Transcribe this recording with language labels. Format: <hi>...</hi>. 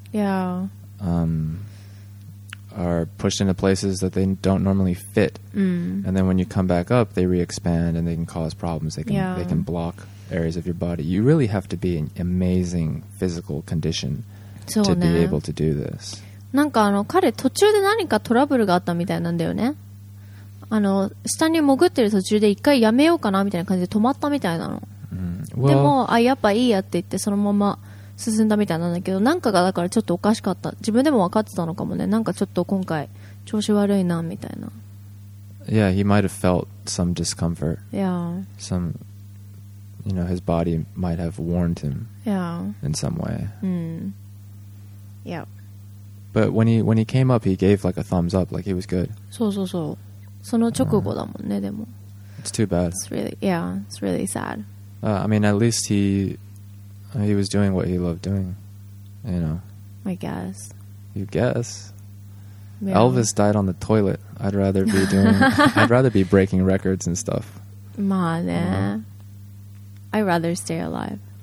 <en>yeah, are pushed into places that they don't normally fit, and then when you come back up, they re-expand and they can cause problems. They can they can block areas of your body. You really have to be in amazing physical condition to be able to do this.</en> <ja>なんかあの彼途中で何かトラブルがあったみたいなんだよね。あの下に潜ってる途中で一回やめようかなみたいな感じで止まったみたいなの、</ja> <en>mm. well,</en> <ja>でもあやっぱいいやって言ってそのまま進んだみたいなんだけど、なんかがだからちょっとおかしかった、自分でも分かってたのかもね。なんかちょっと今回調子悪いなみたいな。</ja> <en>Yeah, he might have felt some discomfort. Yeah. Some, you know, his body might have warned him. Yeah. In some way. Yeah. But when he came up, he gave like a thumbs up, like he was good.</en> <ja>そうそうそう、その直後だもんね。でも</ja> <en>It's too bad. It's really, yeah, it's really sad. I mean, at least he was doing what he loved doing, you know. I guess. You guess. Yeah. Elvis died on the toilet. I'd rather be doing I'd rather be breaking records and stuff.</en> <ja>まあね。</ja> <en>You know? I'd rather stay alive.</en>